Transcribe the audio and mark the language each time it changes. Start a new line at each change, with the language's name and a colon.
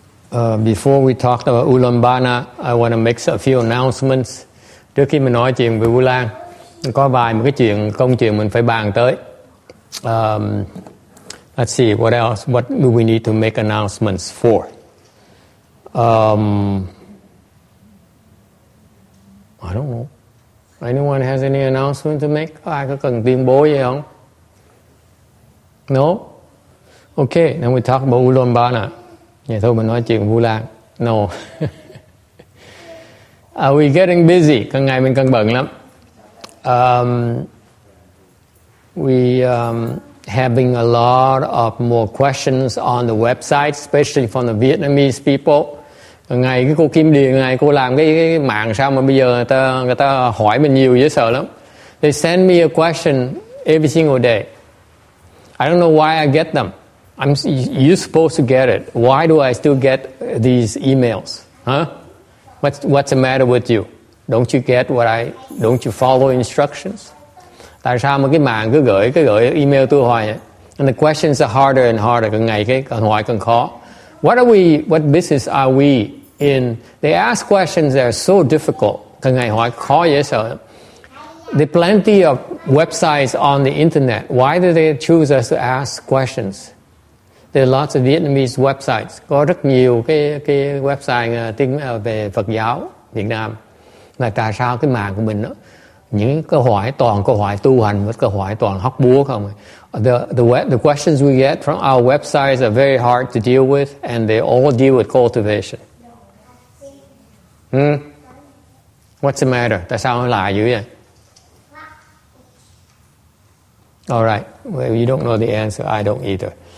English: Before we talk about Ulambana, I want to make a few announcements.
Vietnamese: Trước khi mình nói chuyện về Vu Lan, có vài một cái chuyện công chuyện mình phải bàn tới.
English: Let's see what else. What do we need to make announcements for? I don't know. Anyone has any announcement to make?
Vietnamese: Ai có cần tuyên bố gì không?
English: No. Okay. Then we talk about Ulambana. Yeah,
Vietnamese: thôi mình nói chuyện Vu Lan.
English: No. Are we getting busy?
Vietnamese: Càng ngày mình càng bận lắm.
English: We having a lot of more questions on the website, especially from the Vietnamese people.
Vietnamese: Ngày cái cô Kim Điền này, cô làm cái mạng sao mà bây giờ người ta hỏi mình nhiều dễ sợ lắm.
English: They send me a question every single day. I don't know why I get them. You're supposed to get it. Why do I still get these emails? Huh? What's the matter with you? Don't you get what I? Don't you follow instructions?
Vietnamese: Tại sao mà cái mạng cứ gửi email tôi hoài?
English: And the questions are harder and harder.
Vietnamese: Càng ngày cái càng hỏi càng khó.
English: What business are we in? They ask questions that are so difficult.
Vietnamese: Càng ngày hỏi khó dễ sợ.
English: There are plenty of websites on the internet. Why do they choose us to ask questions? There are lots of Vietnamese websites.
Vietnamese: Có rất nhiều cái website tiếng về Phật giáo Việt Nam. Là tại sao cái mạng của mình đó, những câu hỏi toàn câu hỏi tu hành và câu hỏi toàn hóc búa không?
English: The questions we get from our websites are very hard to deal with and they all deal with cultivation. What's the matter?
Vietnamese: Tại sao nó lạ dữ vậy?
English: All right. Well, you don't know the answer. I don't either.